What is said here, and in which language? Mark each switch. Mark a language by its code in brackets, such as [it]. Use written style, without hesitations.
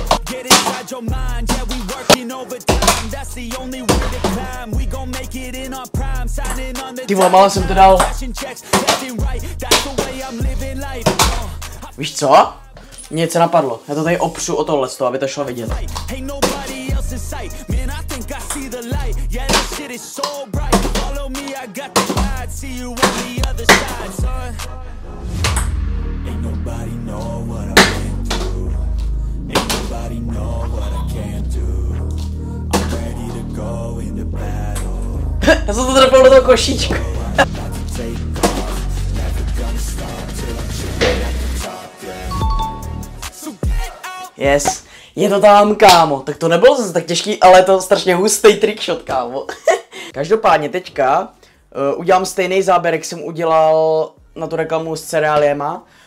[en] Get inside your mind, yeah, we working overtime. That's the only way to climb. We gon' make it in our prime. Signing on the dotted line. Cashing checks, cashing right. That's the way I'm living life. [cs] Víš co? Mně se napadlo. Já to tady opřu o tohle sto, aby to šlo vidět. [en] Hey, nobody else in sight. Man, I think I see the light. Yeah, this shit is so bright. Follow me, I got the light. See you on the other side, son. Ain't nobody know what I'm. Nobody know what I can do. I'm ready to go into battle. [cs] Já jsem to trefil do toho košíčku. [en] Yes, [cs] je to tam, kámo. Tak to nebylo zase tak těžký, ale je to strašně hustý trickshot, kámo. Každopádně teďka udělám stejný záběr, jak jsem udělal na tu reklamu s cereáliema.